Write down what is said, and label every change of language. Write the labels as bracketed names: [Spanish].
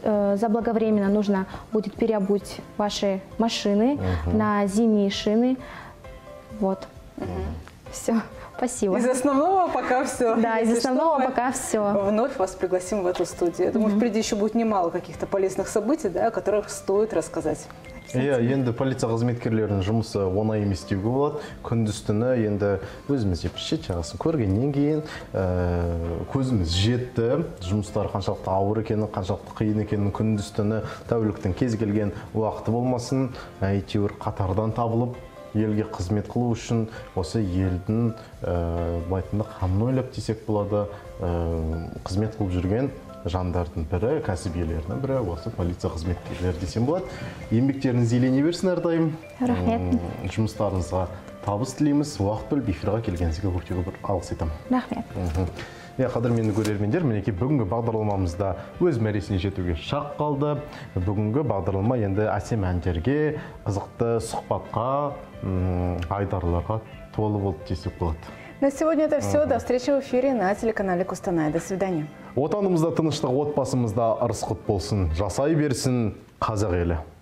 [Russian] Заблаговременно нужно будет переобуть ваши машины на зимние шины. Вот. Все. Спасибо. Из основного пока все. Да, из основного пока все. Вновь вас пригласим в эту студию. Я думаю, впереди еще будет немало каких-то полезных событий, да, о которых стоит рассказать. [Kazakh] Енді полиция қызметкерлерінің жұмысы оңай емес деуге болады. Күндіз-түні енді өзіміз жетіп жатырмыз. Көргеннен кейін көзіміз жетті. Жұмыстар қаншалықты ауыр екенін, қаншалықты қиын екенін күндіз-түні тәуліктің кез келген уақыты болмасын. Әйтеуір қатардан табылып, елге қызмет қылу үшін осы елдің байтында қамын ойлап десек болады. Қызмет қылып жүрген жандардың бірі, кәсібиелерінің бірі осы полиция қызметкерлері десем болады. Еңбектеріңіз елене берсін әрдайым. Рахмет. Жұмыстарыңызға табыс тілейміз. Уақыт бөліп эфирға келгеніңізге көптеп алғыс айтамын. Рахмет. Қадірменді көрермендер, мінекей бүгінгі бағдарламамызда өз мәресіне жетуге шақ қалды. Бүгінгі бағдарлама енді әсем әндерге, қызықты сұхбатқа, айдарларға толы болды десек болады. [Russian] На сегодня это все. До встречи в эфире на телеканале Костанай. До свидания. [Kazakh] Отанымызда тыныштық, отбасымызда ырыс құт болсын. Жасай берсін қазақ елі.